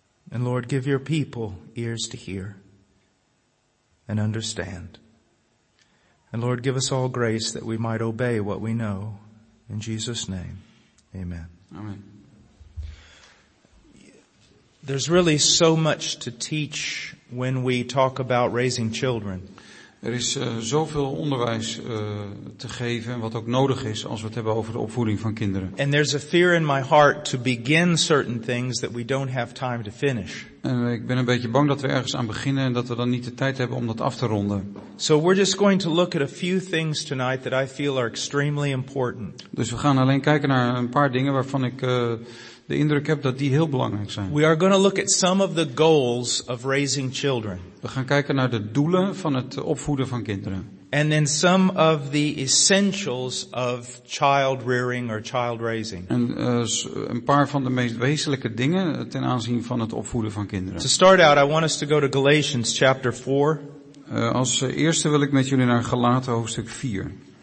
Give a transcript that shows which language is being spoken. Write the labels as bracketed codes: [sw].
[en] And Lord, give your people ears to hear and understand. And Lord, give us all grace that we might obey what we know. In Jesus' name, amen. Amen. There's really so much to teach when we talk about raising children. [nl] Er is zoveel onderwijs te geven en wat ook nodig is als we het hebben over de opvoeding van kinderen. [en] And there's a fear in my heart to begin certain things that we don't have time to finish. [nl] En ik ben een beetje bang dat we ergens aan beginnen en dat we dan niet de tijd hebben om dat af te ronden. [en] So we're just going to look at a few things tonight that I feel are extremely important. [nl] Dus we gaan alleen kijken naar een paar dingen waarvan ik de indruk heb dat die heel belangrijk zijn. [en] We are going to look at some of the goals of raising children. [nl] We gaan kijken naar de doelen van het opvoeden van kinderen. [en] And then some of the essentials of child rearing or child raising. [nl] En een paar van de meest wezenlijke dingen ten aanzien van het opvoeden van kinderen. [en] To start out, I want us to go to Galatians chapter 4. [nl] Als eerste wil ik met jullie naar Galaten hoofdstuk 4.